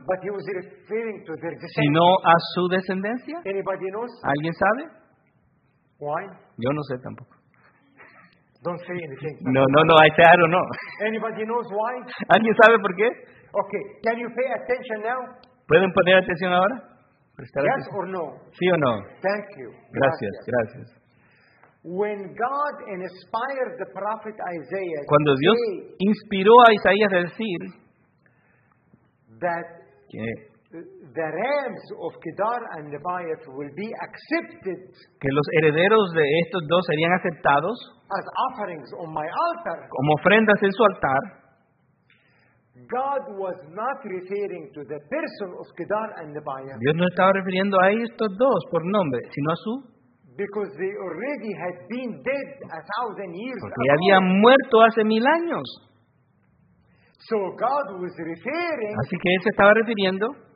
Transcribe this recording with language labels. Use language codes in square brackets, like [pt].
[en] But he was referring to their descendants. [es] Sino a su descendencia. [en] Anybody knows? [es] ¿Alguien sabe? [en] Why? [es] Yo no sé tampoco. [en] Don't say anything. No, I say I don't know. Anybody knows why? [es] ¿Alguien sabe por qué? [en] Okay. Can you pay attention now? [es] ¿Pueden poner atención ahora? [en] Yes or no? [es] Sí o no. [en] Thank you. [es] Gracias, gracias. [en] When God inspired the prophet Isaiah, [es] cuando Dios inspiró a Isaías a decir [en] that the rams of Kedar and Nebaioth will be accepted, [es] que los herederos de estos dos serían aceptados [en] as offerings on my altar, [es] como ofrendas en su altar. [en] God was not referring to the person of Kedar and Nebaioth. [es] Dios no estaba refiriendo a estos dos por nombre, sino a su. [en] Because they already had been dead 1,000 years. [es] Porque ya habían muerto hace 1,000 años. [en] So God was referring. [es] Así que él se estaba refiriendo